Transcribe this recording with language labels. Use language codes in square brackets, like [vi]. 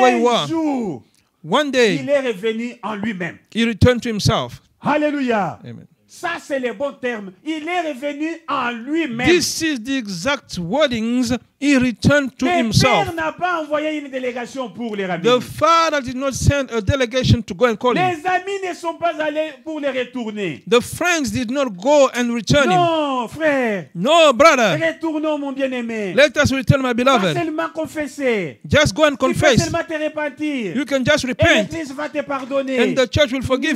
[en] where he was. [fr] Jour, [en] one day, [fr] il est revenu en lui-même. [en] He returned to himself. Hallelujah. Amen. [fr] Ça, c'est le bon terme. Il est revenu en lui-même. [en] This is the exact wordings. He returned to [fr] le [en] himself. [fr] Le père n'a pas envoyé une délégation pour les ramener. [en] The father did not send a delegation to go and call [fr] les [en] him. [fr] Les amis ne sont pas allés pour les retourner. [en] The friends did not go and return [fr] non, Non, frère. [en] No, brother. [fr] Retournons, mon bien-aimé. [en] Let us return, my beloved. [fr] Va seulement confesser. [en] Just go and confess. [fr] Tu peux seulement te repentir. [en] You can just repent. [fr] Et l'église va te pardonner. [en] And the church will forgive